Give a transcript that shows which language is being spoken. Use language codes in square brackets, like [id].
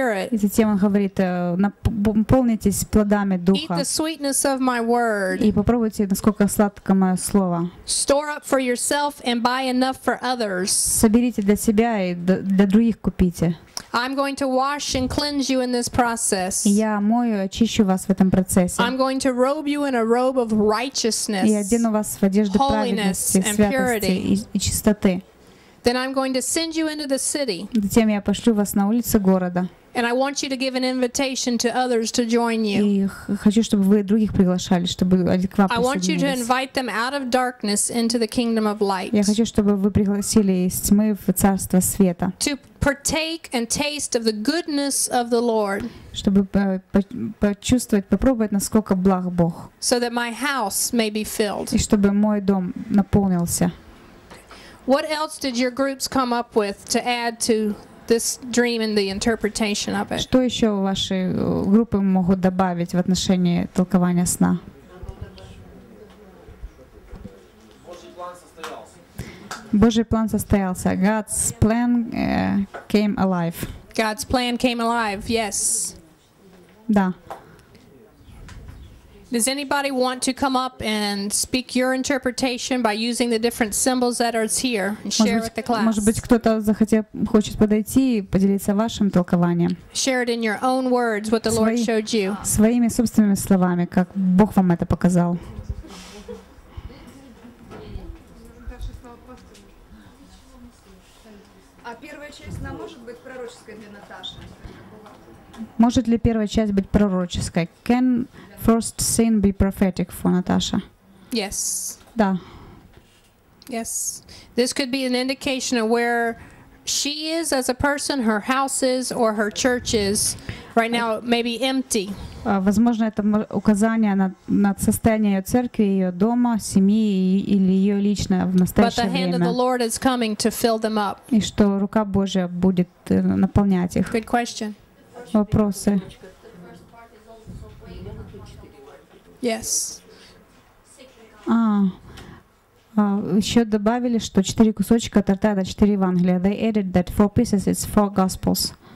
[ru] И затем он говорит, наполнитесь плодами Духа. И попробуйте, насколько сладко мое слово. [en] Store up for yourself and buy enough for others. [ru] Соберите для себя и для других купите. [en] I'm going to wash and cleanse you in this process. [ru] Я мою, очищу вас в этом процессе. [en] I'm going to robe you in a robe of righteousness. [ru] Я одену вас в одежду праведности, святости и чистоты. [en] Then I'm going to send you into the city. [ru] Затем я пошлю вас на улицы города. [en] And I want you to give an invitation to others to join you. [ru] И хочу, чтобы вы других приглашали, чтобы они к вам [en] I want you to invite them out of darkness into the kingdom of light. [ru] Я хочу, чтобы вы пригласили из тьмы в царство света. [en] To partake and taste of the goodness of the Lord. [ru] Чтобы почувствовать, попробовать, насколько благ Бог. [en] So that my house may be filled. [ru] И чтобы мой дом наполнился. [en] What else did your groups come up with to add to this dream and the interpretation of it? [ru] Что еще ваши группы могут добавить в отношении толкования сна? Божий план состоялся. [en] God's plan came alive. God's plan came alive. Yes. [ru] Да. [en] Does anybody want to come up and speak your interpretation by using the different symbols that are here and share with the class? [ru] Может быть, кто-то хочет подойти и поделиться вашим толкованием. [en] Share it in your own words, what the Lord showed you. [ru] Своими собственными словами, как Бог вам это показал. А первая часть, она может быть пророческой для Наташи? Может ли первая часть быть пророческой? [en] Can first scene be prophetic for Natasha? Yes. [ru] Да. [en] Yes. This could be an indication of where she is as a person, her house is, or her church is right now maybe empty. [ru] Возможно, это указание на состояние ее церкви, ее дома, семьи или ее личное в настоящее время. [en] But the hand of the Lord is coming to fill them up. [ru] И что рука Божья будет наполнять их. [en] Good question. [ru] Вопросы. [en] Yes. [ru] Еще добавили, что четыре кусочка торта — это четыре Евангелия. [en] They added that four pieces is four Gospels.